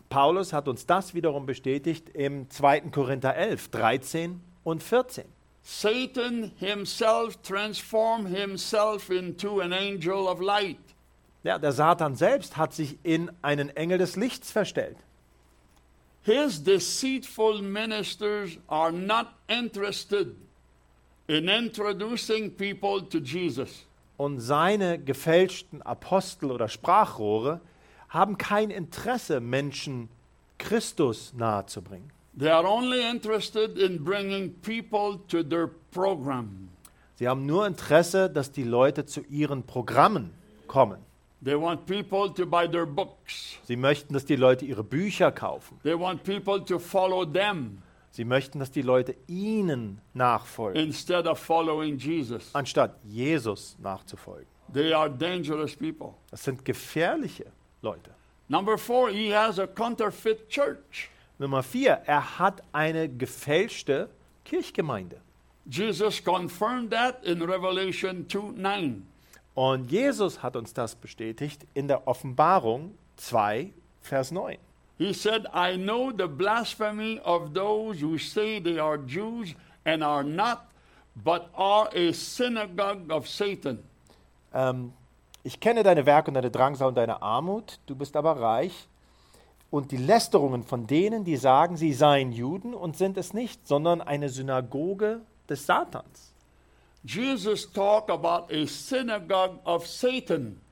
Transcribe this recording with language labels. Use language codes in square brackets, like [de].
[de] Paulus hat uns das wiederum bestätigt im 2. Korinther 11, 13 und 14. [en] Satan himself transformed himself into an angel of light. [de] Ja, der Satan selbst hat sich in einen Engel des Lichts verstellt. [en] His deceitful ministers are not interested in introducing people to Jesus. [de] Und seine gefälschten Apostel oder Sprachrohre haben kein Interesse, Menschen Christus nahezubringen. [en] They are only interested in bringing people to their program. [de] Sie haben nur Interesse, dass die Leute zu ihren Programmen kommen. [en] They want people to buy their books. [de] Sie möchten, dass die Leute ihre Bücher kaufen. [en] They want people to follow them. [de] Sie möchten, dass die Leute ihnen nachfolgen. [en] Instead of following Jesus. [de] Anstatt Jesus nachzufolgen. [en] They are dangerous people. [de] Das sind gefährliche Leute. [en] Number four, he has a counterfeit church. [de] Nummer vier, er hat eine gefälschte Kirchgemeinde. [en] Jesus confirmed that in Revelation 2:9. [de] Und Jesus hat uns das bestätigt in der Offenbarung 2, Vers 9. [en] He said, I know the blasphemy of those who say they are Jews and are not, but are a synagogue of Satan. [de] Ich kenne deine Werke und deine Drangsal und deine Armut. Du bist aber reich und die Lästerungen von denen, die sagen, sie seien Juden und sind es nicht, sondern eine Synagoge des Satans. [en] Jesus talk about a synagogue of Satan.